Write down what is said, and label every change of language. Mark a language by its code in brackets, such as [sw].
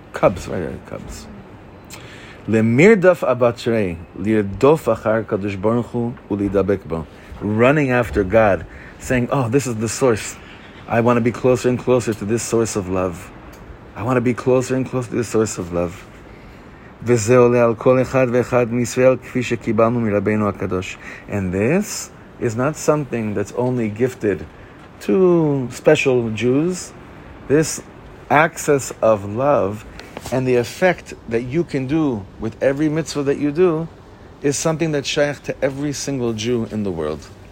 [en] Cubs, right, cubs. Running after God, saying, oh, this is the source. I want to be closer and closer to this source of love. I want to be closer and closer to the source of love. [he] וזה עולה על כל אחד ואחד מישראל כפי שקיבלנו מרבינו הקדוש. [en] And this is not something that's only gifted to special Jews. This access of love and the effect that you can do with every mitzvah that you do is something that's shayach to every single Jew in the world.